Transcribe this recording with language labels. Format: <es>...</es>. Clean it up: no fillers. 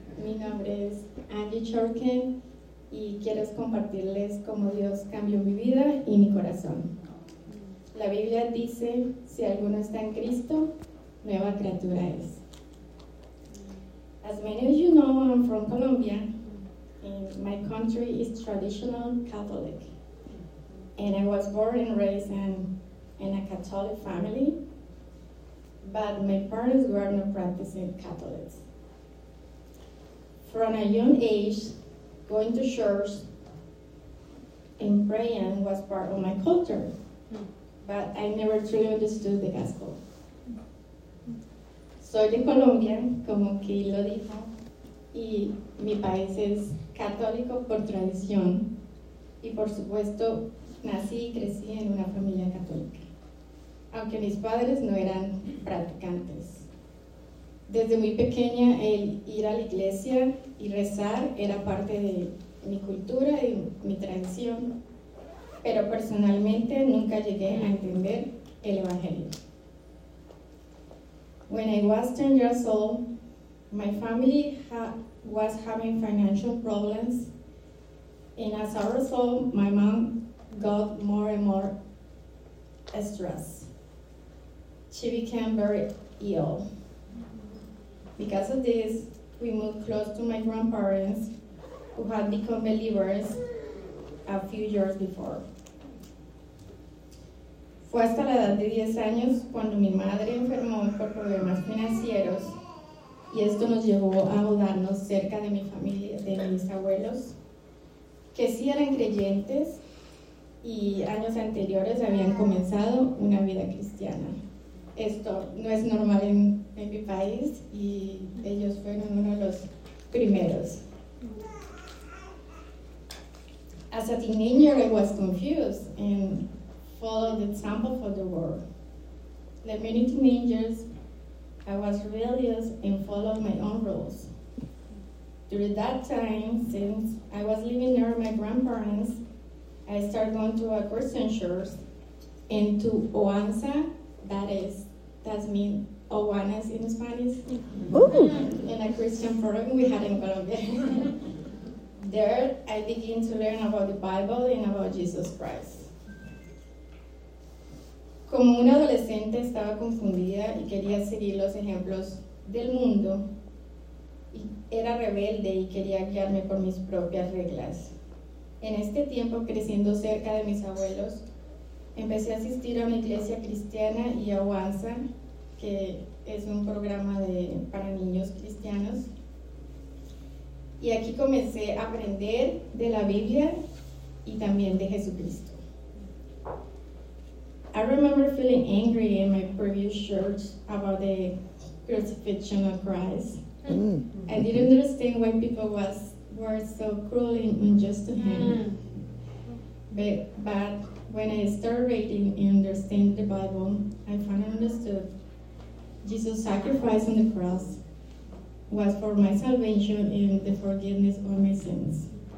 <es>Mi nombre es Angie Shorkin y quiero compartirles cómo Dios cambió mi vida y mi corazón. La Biblia dice, si alguno está en Cristo, nueva criatura es.</es> <en>As many of you know, I'm from Colombia, and my country is traditional Catholic. And I was born and raised in a Catholic family, but my parents were not practicing Catholics. From a young age, going to church and praying was part of my culture, but I never truly understood the gospel.</en> <es>Soy de Colombia, como Kay lo dijo, y mi país es católico por tradición, y por supuesto, nací y crecí en una familia católica, aunque mis padres no eran practicantes. Desde muy pequeña, el ir a la iglesia y rezar era parte de mi cultura y mi tradición, pero personalmente nunca llegué a entender el Evangelio.</es> <en>When I was 10 years old, my family was having financial problems, and as a result, my mom got more and more stressed. She became very ill. Because of this, we moved close to my grandparents who had become believers a few years before.</en> <es>Fue hasta la edad de 10 años cuando mi madre enfermó por problemas financieros y esto nos llevó a mudarnos cerca de mi familia, de mis abuelos, que sí eran creyentes y años anteriores habían comenzado una vida cristiana. Esto no es normal en mi país y ellos fueron uno de los primeros.</es> <en>As a teenager, I was confused and followed the example for the world. Like many teenagers, I was rebellious and followed my own rules. During that time, since I was living near my grandparents, I started going to a Christian church and to OANSA, that means Owanas in Spanish. Ooh. In a Christian forum we had in Colombia. There, I began to learn about the Bible and about Jesus Christ.</en> <es>Como una adolescente, estaba confundida y quería seguir los ejemplos del mundo. Era rebelde y quería guiarme por mis propias reglas. En este tiempo, creciendo cerca de mis abuelos, empecé a asistir a una iglesia cristiana y a OANSA, que es un programa para niños cristianos. Y aquí comencé a aprender de la Biblia y también de Jesucristo.</es> <en>I remember feeling angry in my previous church about the crucifixion of Christ. I didn't understand why people were so cruel and unjust to him. But when I started reading and understanding the Bible, I finally understood Jesus' sacrifice on the cross was for my salvation and the forgiveness of my sins.</en>